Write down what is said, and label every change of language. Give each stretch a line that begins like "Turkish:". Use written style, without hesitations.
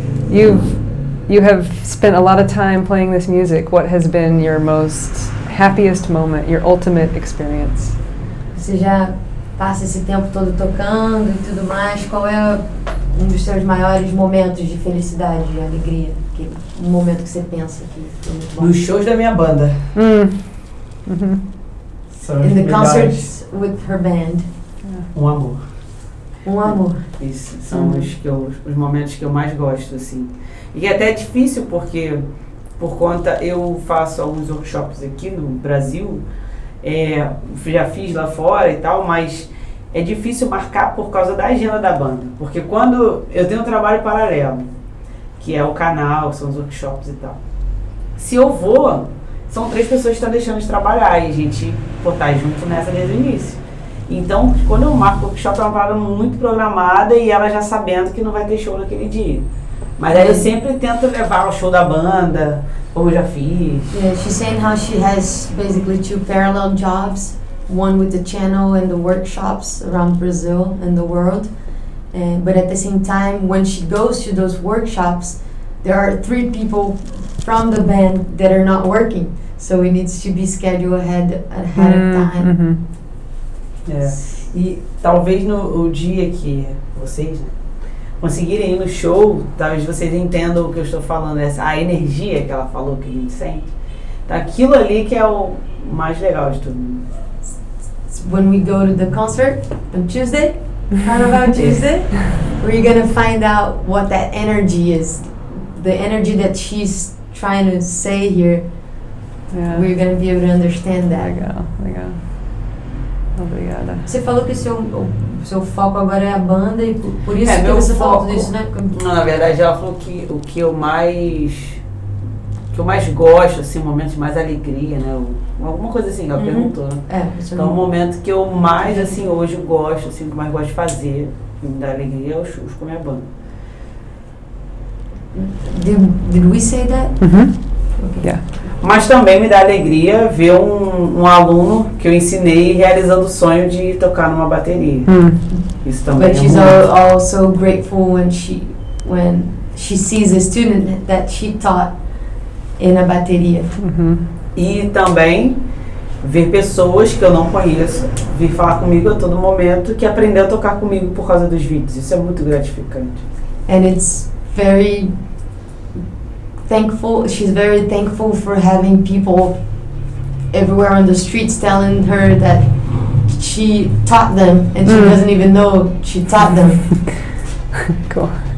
English: You have spent a lot of time playing this music. What has been your most happiest moment, your ultimate experience?
Portuguese: Você já passa esse tempo todo tocando e tudo mais. Qual é um dos seus maiores momentos de felicidade e alegria? Um momento que você pensa que foi muito bom. Nos shows da minha banda.
English: In the concerts with her band.
Portuguese: Yeah. Um amor. Isso, são os momentos que eu mais gosto, assim. E até é difícil porque, por conta, eu faço alguns workshops aqui no Brasil, já fiz lá fora e tal, mas é difícil marcar por causa da agenda da banda. Porque quando eu tenho um trabalho paralelo, que é o canal, são os workshops e tal. Se eu vou, são três pessoas que estão deixando de trabalhar e a gente botar junto nessa desde o início. Então, quando eu marco o workshop, é uma parada muito programada e ela já sabendo que não vai ter show naquele dia. Mas aí eu sempre tento levar o show da banda, como eu já fiz.
English: Yeah, she's saying how she has basically two parallel jobs, one with the channel and the workshops around Brazil and the world. But at the same time, when she goes to those workshops, there are three people from the band that are not working. So it needs to be scheduled ahead of time. Mm-hmm.
Portuguese: É. E talvez no dia que vocês conseguirem ir no show, talvez vocês entendam o que eu estou falando, essa a energia que ela falou que a gente sente. Tá, aquilo ali que é o mais legal de tudo.
English: When we go to the concert on Tuesday, how about Tuesday? We're gonna find out what that energy is. The energy that she's trying to say here. Yeah. We're gonna be able to understand that.
Portuguese: Legal. Obrigada. Você falou que o seu foco agora é a banda e por isso que você foco, falou disso, né? Não, na verdade, ela falou que o que eu mais gosto, assim, o momento de mais alegria, né? Alguma coisa assim, ela perguntou, né? Então, o momento que eu mais, assim, hoje gosto, assim, o que mais gosto de fazer, me dá alegria, é o show com a minha banda.
English: Did we say that? Uhum. Yeah.
Portuguese: Mas também me dá alegria ver um aluno que eu ensinei realizando o sonho de tocar numa bateria. Isso também.
English: But
Portuguese: é
English: she's
Portuguese: muito.
English: Also grateful when she sees a student that she taught in a bateria. Uhum.
Portuguese: E também ver pessoas que eu não conheço vir falar comigo a todo momento que aprendeu a tocar comigo por causa dos vídeos. Isso é muito gratificante.
English: And it's very thankful, she's very thankful for having people everywhere on the streets telling her that she taught them and she doesn't even know she taught them. Cool.